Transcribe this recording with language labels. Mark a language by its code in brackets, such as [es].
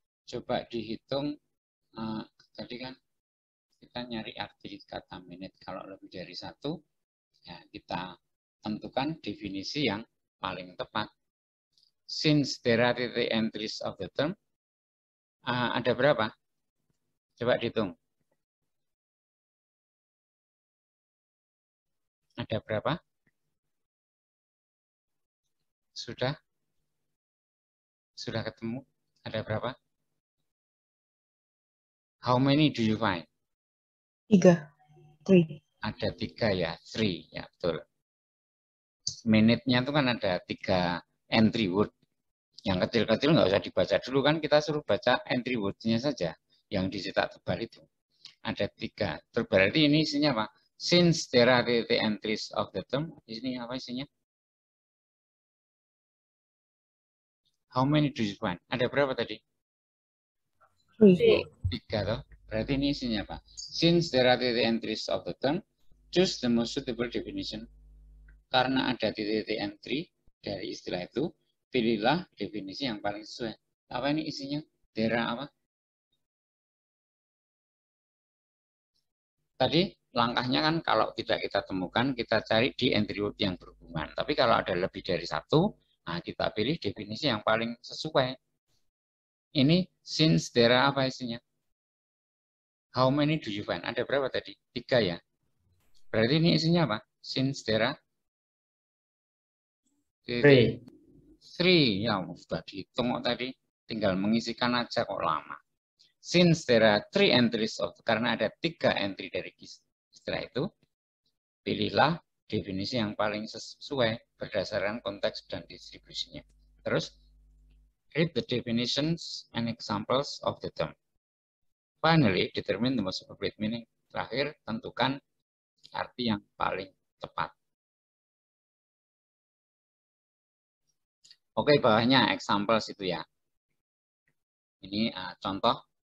[id] Coba dihitung, tadi kan kita nyari arti kata menit, kalau lebih dari satu, ya kita tentukan definisi yang paling tepat. [en] Since there are the entries of the term, [id] ada berapa? Coba dihitung. Ada berapa? Sudah? Sudah ketemu? Ada berapa? [en] How many do you find? [id] Tiga. [en] Three. [id] Ada tiga ya, three. Ya, betul. Minute-nya itu kan ada tiga entry word. Yang kecil-kecil nggak usah dibaca dulu kan, kita suruh baca entry word-nya saja. Yang dicetak tebal itu. Ada tiga. Berarti ini isinya apa? [en] Since there are the entries of the term. [id] Ini apa isinya? [en] How many do you find? [id] Ada berapa tadi? Tiga toh. Berarti ini isinya apa? [en] Since there are the entries of the term, choose the most suitable definition. [id] Karena ada titik-titik entry dari istilah itu, pilihlah definisi yang paling sesuai. Apa ini isinya? [en] There are [id] apa? Tadi langkahnya kan kalau tidak kita temukan, kita cari di entry word yang berhubungan. Tapi kalau ada lebih dari satu, Nah, kita pilih definisi yang paling sesuai. Ini since there are apa isinya? [en] How many do you find? [id] Ada berapa tadi? 3 ya. Berarti ini isinya apa? Since there are 3. Ya, sudah dihitung tadi. Tinggal mengisikan aja kok lama. [en] Since there are 3 entries of, [id] karena ada 3 entry dari kis. Setelah itu, pilihlah definisi yang paling sesuai berdasarkan konteks dan distribusinya. [en] Terus, read the definitions and examples of the term. Finally, determine the most appropriate meaning. [id] Terakhir, tentukan arti yang paling tepat. Oke, bawahnya examples itu ya. Ini contoh.